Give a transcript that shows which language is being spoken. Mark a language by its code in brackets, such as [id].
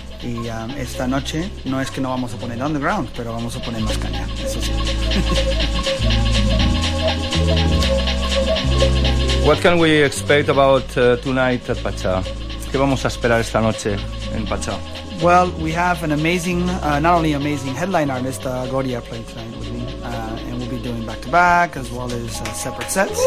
[es] Y esta noche no es que no vamos a poner underground, pero vamos a poner más caña, eso sí. [en] What can we expect about tonight at Pachá? [es] ¿Qué vamos a esperar esta noche en Pachá? [en] Well, we have an amazing, not only amazing headline artist, Goria playing tonight with me, and we'll be doing back to back as well as separate sets.